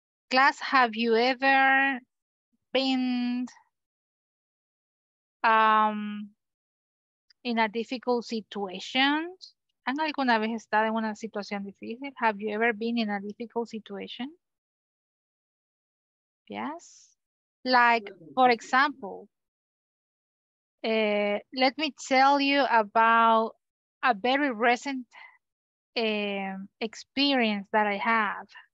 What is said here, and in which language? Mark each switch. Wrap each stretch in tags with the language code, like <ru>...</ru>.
<en>Class, have you ever been in a difficult situation?</en> <es>¿Han alguna vez estado en una situación difícil?</es> <en>Have you ever been in a difficult situation? Yes. Like, for example, let me tell you about a very recent experience that I have.</en>